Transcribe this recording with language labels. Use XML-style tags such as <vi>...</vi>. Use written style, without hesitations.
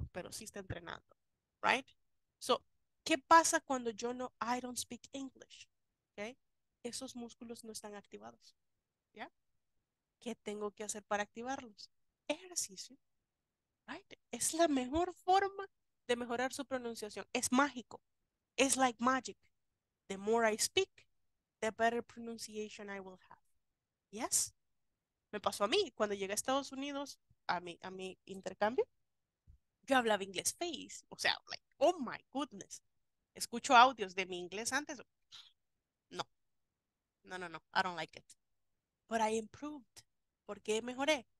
<es>Pero sí está entrenando,</es> <en>right? So,</en> <es>¿qué pasa cuando yo no,</es> <en>I don't speak English? Okay?</en> <es>Esos músculos no están activados. ¿Ya? ¿Qué tengo que hacer para activarlos? Ejercicio.</es> <en>Right?</en> <es>Es la mejor forma de mejorar su pronunciación. Es mágico.</es> <en>It's like magic. The more I speak, the better pronunciation I will have. Yes?</en> <es>Me pasó a mí. Cuando llegué a Estados Unidos, a mi intercambio, yo hablaba inglés face. O sea,</es> <en>like, oh my goodness.</en> <es>Escucho audios de mi inglés antes. No. No, no, no.</es> <en>I don't like it. But I improved.</en> <es>¿Por qué mejoré?</es>